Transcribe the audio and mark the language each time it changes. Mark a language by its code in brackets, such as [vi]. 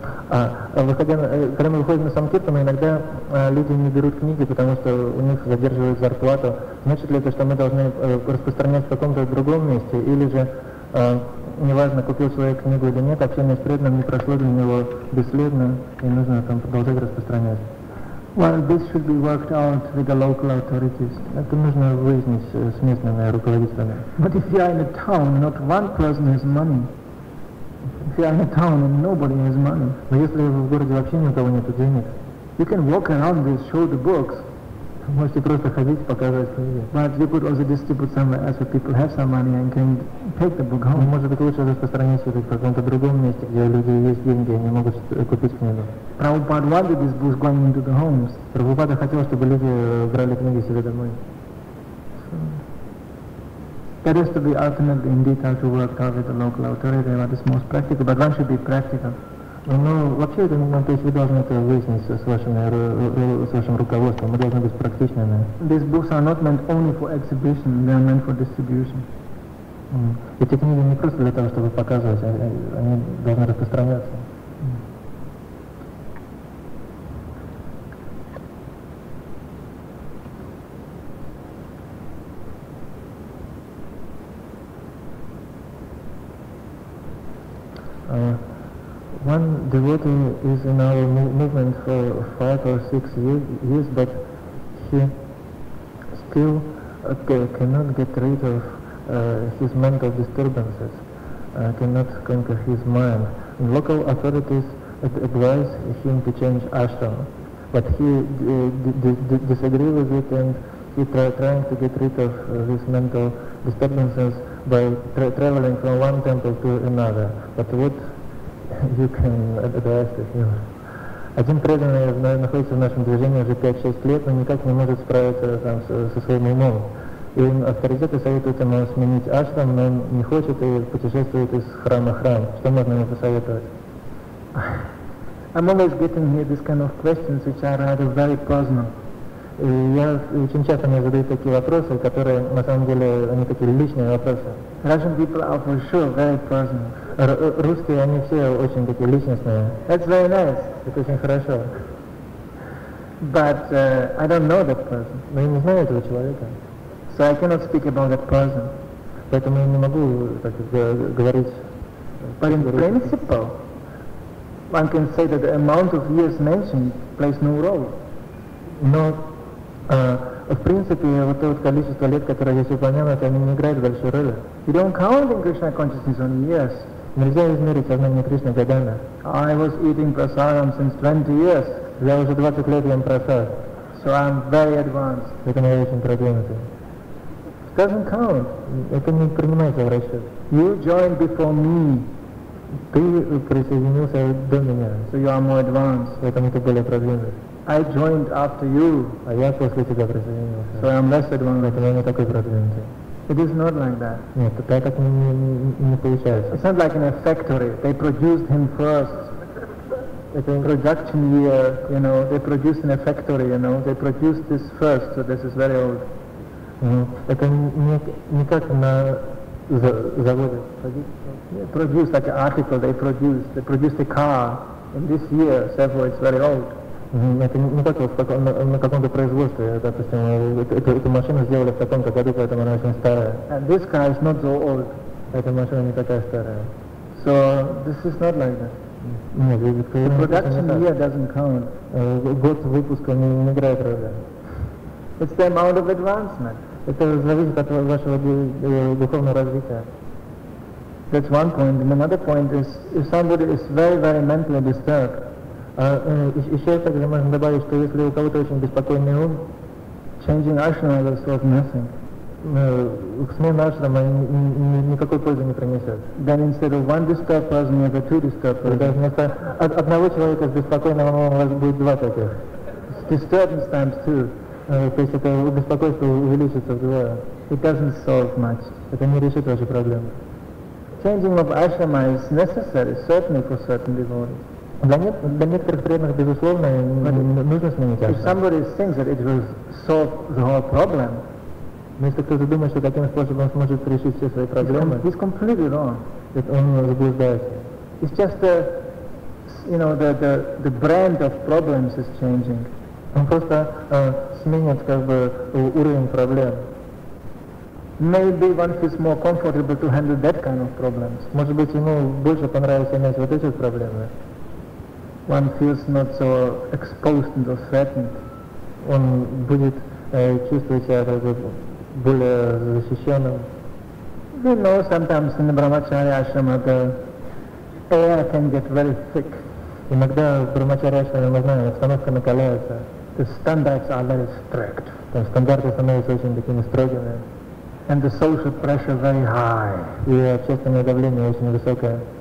[ru] Когда мы выходим на санкиртаны, иногда люди не берут книги, потому что у них задерживают зарплату. Значит ли это, что мы должны распространять в каком-то другом месте, или же неважно, купил свою книгу или нет, общение с преданным не прошло для него бесследно, и нужно там продолжать распространять. [en] Well, this should be worked out with the local authorities. [ru] Это нужно выяснить с местными руководителями. [en] But if you are in a town, not one person has money. If you are in a town and nobody has money. [ru] Но если вы в городе вообще ни у кого нет денег, [en] you can walk around and show the books. [ru] Можете просто ходить, показывать книги. [en] But you could also distribute somewhere else where people have some money and can take the book home. [ru] Может быть, лучше распространить это в каком-то другом месте, где люди есть деньги, они могут купить книгу. [en] Prabhupada wanted this book going into the homes. [ru] Прабхупада хотел, чтобы люди брали книги себе домой. [en] That has to be ultimately in detail to work out with the local authority what is most practical, but one should be practical. [ru] Ну, вообще, это, ну, то есть вы должны это выяснить с вашим руководством. Мы должны быть практичными. [en] These books are not meant only for exhibition, they are meant for distribution. Mm. [ru] Эти книги не просто для того, чтобы показывать, они должны распространяться. Mm. [en] One devotee is in our movement for 5 or 6 years, but he still cannot get rid of his mental disturbances, cannot conquer his mind. And local authorities advise him to change ashram, but he disagrees with it, and he trying to get rid of his mental disturbances by traveling from one temple to another. But what you can address it. [ru] Один преданный находится в нашем движении уже 5-6 лет, но никак не может справиться там со своим умом. И авторитеты советуют ему сменить ашрам, но он не хочет и путешествует из храма в храм. Что можно ему посоветовать? [en] I'm always getting here this kind of questions, which are rather very personal. [ru] И я очень часто мне задают такие вопросы, которые на самом деле они такие личные вопросы. [en] Russian people are for sure very personal. [ru] Русские, они все очень такие личностные. [en] That's very nice. [ru] Это очень хорошо. [en] But I don't know that person. [ru] Но я не знаю этого человека. [en] So I cannot speak about that person. [ru] Поэтому я не могу так говорить. [en] But in principle, one can say that the amount of years mentioned plays no role. [ru] Но в принципе, вот то вот количество лет, которое здесь упомянуто, они не играют большой роли. [en] You don't count in Krishna consciousness on years. [ru] Нельзя измерить сознание Кришны годами. [en] I was eating prasadam since 20 years. [ru] Я уже 20 лет ем прасад. [en] So I'm very advanced. [ru] Это не очень продвинутый. [en] It doesn't count. [ru] Это не принимается в расчет. [en] You joined before me. [ru] Ты присоединился до меня. [en] So you are more advanced. [ru] Поэтому ты более продвинутый. [en] I joined after you. [ru] А я после тебя присоединился. [en] So I'm less advanced. [ru] Поэтому я не такой продвинутый. [en] It is not like that. [ru] Нет, так как не получается. [en] It's not like in a factory. They produced him first. [ru] Это [en] production year, you know, they produced in a factory, you know, they produced this first, so this is very old. [ru] это никак на заводе [en] produce like an article they produce. They produce a car in this year, therefore it's very old. [ru] Это не так вот на каком-то производстве, допустим, эту машину сделали в таком-то году, поэтому она очень старая. [en] And this car is not so old. [ru] Эта машина не такая старая. [en] So this is not like that. [ru] Нет, это [en] The production year doesn't count. [ru] Год выпуска не играет роли. [en] It's the amount of advancement. [ru] Это зависит от вашего духовного развития. [en] That's one point. And another point is, if somebody is very, very mentally disturbed. [ru] Еще также можно добавить, что если у кого-то очень беспокойный ум, [en] changing ashram is worth nothing. [ru] Смена ашрама никакой пользы не принесет. [en] Then instead of one disturbed person, you have two disturbed person. [ru] Даже вместо одного человека с беспокойным умом у вас будет два таких. [en] Disturbance times two. [ru] То есть это беспокойство увеличится вдвое. [en] It doesn't solve much. [ru] Это не решит ваши проблемы. [en] Changing of ashrama is necessary, certainly for certain devotees. [ru] Для некоторых преданных, безусловно, нужно сменить ашрам. [en] If somebody thinks that it will solve the whole problem, [ru] но если кто-то думает, что таким способом сможет решить все свои проблемы, [en] he's completely wrong. [ru] Это он заблуждается. [en] It's just a, you know, the brand of problems is changing. [ru] Он просто сменит как бы уровень проблем. [en] Maybe one feels more comfortable to handle that kind of problems. [ru] Может быть, ему больше понравится иметь вот эти проблемы. [en] One feels not so exposed and so threatened. [ru] Он будет чувствовать себя как бы более защищенным. [en] We know sometimes in the Brahmacharya ashrama the air can get very thick. [ru] Иногда в Брахмачарья ашраме, мы знаем, обстановка накаляется. [en] The standards are very strict. [ru] Там стандарты становятся очень такими строгими. [en] And the social pressure very high. [ru] И общественное давление очень высокое.